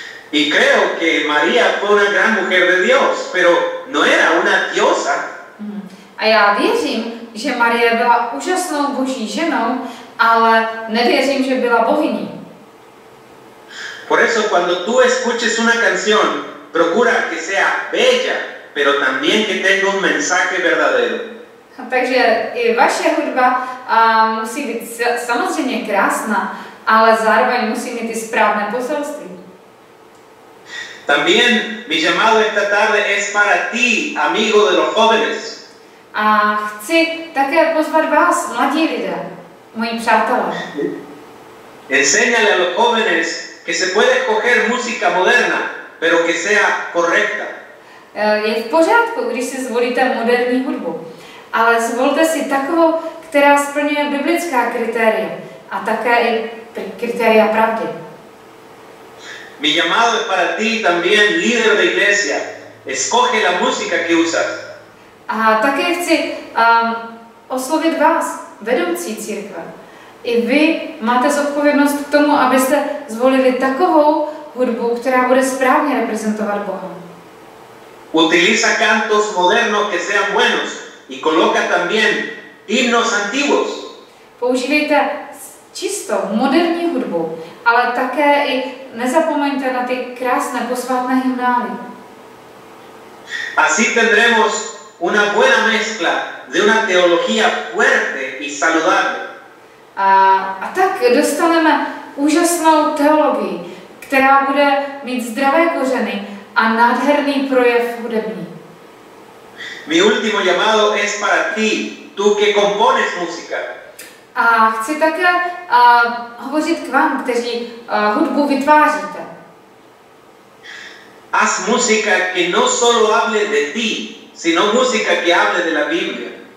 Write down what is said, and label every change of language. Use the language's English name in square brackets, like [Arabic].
[Spanish] Y creo que María fue una gran mujer de Dios, pero no era una diosa. [Czech] A já věřím, že Marie byla úžasnou boží ženou, ale nevěřím, že byla bohyní. [Spanish] Por eso cuando tú escuches una canción, procura que sea bella, pero también que tenga un mensaje verdadero. [Czech] Takže i vaše hudba musí být samozřejmě krásná, ale zároveň musí mít i správné poselství. [Spanish] También mi llamado esta tarde es para ti, amigo de los jóvenes. [Czech] A chci také pozvat vás, mladí lidé, moji přátelé. [Spanish] Enséñale a los jóvenes que se puede escoger música moderna, pero que sea correcta. [Czech] Je v pořádku, když si zvolíte moderní hudbu, ale zvolte si takovou, která splňuje biblická kritéria a také i kritéria pravdy. [Spanish] Mi llamado es para ti también, líder de iglesia. Escoge la música que usas. [Czech] A také chci oslovit vás, vedoucí církve. I vy máte zodpovědnost k tomu, abyste zvolili takovou hudbu, která bude správně reprezentovat Boha. [Spanish] Utiliza cantos modernos que sean buenos y coloca también himnos antiguos. [Czech] Používejte čistou moderní hudbu, ale také i nezapomeňte na ty krásné posvátné hymnály. [Spanish] Así tendremos una buena mezcla de una teología fuerte y saludable. [Czech] A tak dostaneme úžasnou teologii, která bude mít zdravé kořeny a nádherný projev hudební. [Spanish] Mi último llamado es para ti, tú que compones música. [Czech] A chci také hovořit k vám, kteří hudbu vytváříte. [Spanish] Haz música que no solo hable de ti, sino música que hable de la Biblia.